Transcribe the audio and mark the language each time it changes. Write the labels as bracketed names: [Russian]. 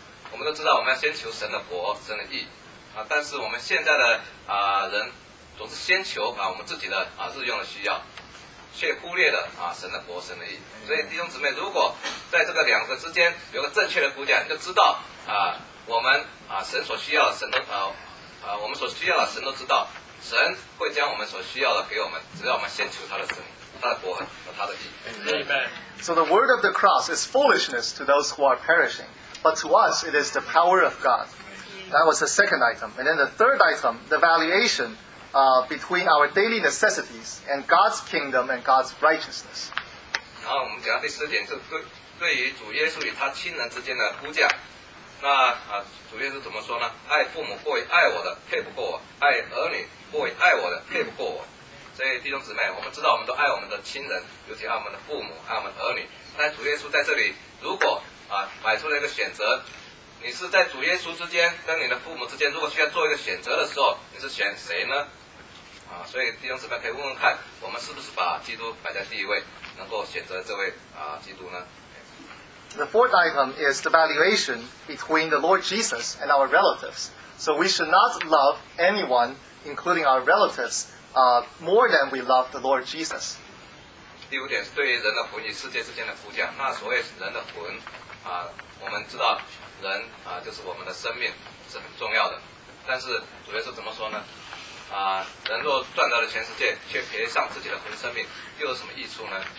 [Chinese] 我们都知道我们要先求神的国、神的义啊，但是我们现在的人总是先求啊我们自己的啊日用的需要，却忽略了啊神的国、神的义。所以弟兄姊妹，如果在这个两个之间有个正确的估价，你就知道啊我们啊，神所需要的神都我们所需要的神都知道，神会将我们所需要的给我们，只要我们献出他的神、他的国和他的义。 [English] Amen. So the word of the cross is foolishness to those who are perishing, but to us it is the power of God. That was the second item, and then the third item, the valuation between our daily necessities and God's kingdom and God's righteousness. [Chinese] 然后我们讲第四点是对于主耶稣与他亲人之间的估价。那啊，主耶稣怎么说呢？爱父母过于爱我的配不过我，爱儿女过于爱我的配不过我。所以弟兄姊妹，我们知道我们都爱我们的亲人，尤其爱我们的父母，爱我们的儿女。但主耶稣在这里，如果啊摆出了一个选择，你是在主耶稣之间跟你的父母之间，如果需要做一个选择的时候，你是选谁呢？啊，所以弟兄姊妹可以问问看，我们是不是把基督摆在第一位，能够选择这位啊基督呢？ [English] The fourth item is the valuation between the Lord Jesus and our relatives. So we should not love anyone, including our relatives, more than we love the Lord Jesus. [Chinese] 第五点是对于人的魂与世界之间的估价。那所谓人的魂，啊，我们知道人啊，就是我们的生命是很重要的。但是主耶稣怎么说呢？啊，人若赚到了全世界，却赔上自己的魂生命，又有什么益处呢？